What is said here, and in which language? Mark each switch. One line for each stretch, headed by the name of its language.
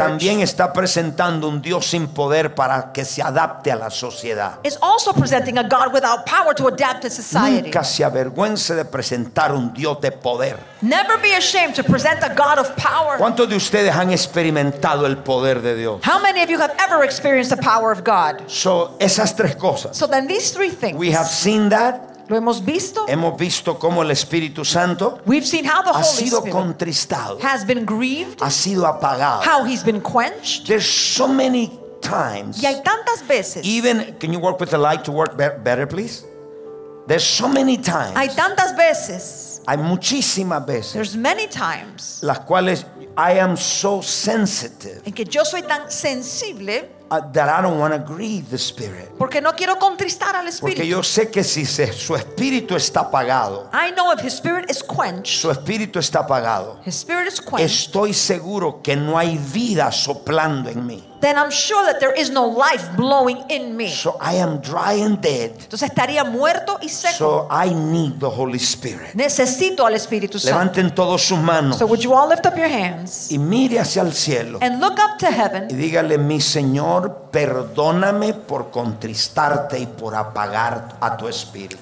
Spanish: también está presentando un Dios sin poder para que se adapte a la sociedad.
English: Is also presenting a God without power to adapt to society.
Spanish: Nunca se avergüence de presentar un Dios de poder.
English: Never be ashamed to present a God of power.
Spanish: ¿Cuántos de ustedes han experimentado el poder de Dios?
English: How many of you have ever experienced the power of God?
Spanish: So esas tres cosas.
English: So then these three things. We have seen that.
Spanish: Lo hemos visto. Hemos visto cómo el Espíritu Santo
English: we've seen how the
Spanish: ha
English: Holy
Spanish: sido
English: Spirit
Spanish: contristado.
English: Has been grieved.
Spanish: Ha sido apagado.
English: How he's been quenched. There's so many times.
Spanish: Y hay tantas veces.
English: Even can you work with the light to work better please? There's so many times.
Spanish: Hay tantas veces. Hay muchísimas veces.
English: There's many times.
Spanish: Las cuales
English: I am so sensitive.
Spanish: En que yo soy tan sensible.
English: That I don't want to grieve the Spirit.
Spanish: Porque no quiero contristar al Espíritu. Porque yo sé que si su Espíritu está apagado.
English: I know if his Spirit is quenched.
Spanish: Su Espíritu está apagado.
English: His Spirit is quenched.
Spanish: Estoy seguro que no hay vida soplando en mí.
English: Then I'm sure that there is no life blowing in me. So I am dry and dead.
Spanish: Entonces estaría muerto y seco.
English: So I need the Holy Spirit.
Spanish: Necesito al Espíritu Santo. Levanten todos sus manos.
English: So would you all lift up your hands?
Spanish: Y mire hacia el cielo.
English: And look up to heaven.
Spanish: Y dígale, mi Señor, perdóname por contristarte y por apagar a tu Espíritu.